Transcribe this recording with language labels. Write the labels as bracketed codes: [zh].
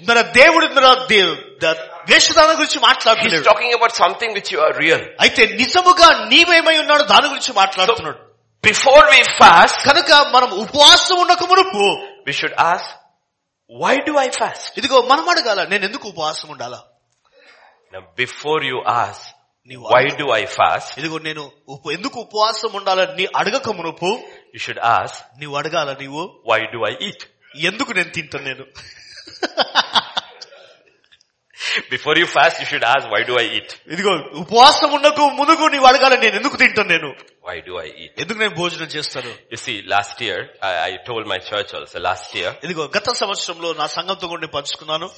[te] మన దేవుడు వేషధారణ గురించి మాట్లాడుతున్నాడు. [en] He is talking about something which you are real. [te] అయితే నిజముగా నీవేమై ఉన్నాడు దాని గురించి మాట్లాడుతున్నాడు. [en] before we fast, [te] కనుక మనం ఉపవాసం ఉండక మునుపు, [en] We should ask, why do I fast? [te] ఇదిగో మనం అడగాల, నేను ఎందుకు ఉపవాసం ఉండాలా? [en] Now before you ask, why do I fast? [te] ఇదిగో నేను ఎందుకు ఉపవాసం ఉండాలని అడగక మునుపు, [en] you should ask, [te] నీవు అడగాల, నీవు [en] why do I eat? [te] ఎందుకు నేను తింటా నేను? [en] Before you fast, you should ask, why do I eat? [te] ఇదిగో ఉపవాసం ఉండక మునుపు నీవు అడగాల, నేను ఎందుకు తింటా నేను? [en] Why do I eat? [te] ఎందుకు నేను భోజనం చేస్తాను? [en] You see, last year I told my church also, last year, [te] ఇదిగో గత సంవత్సరంలో నా సంఘంతో కూడా పంచుకున్నాను.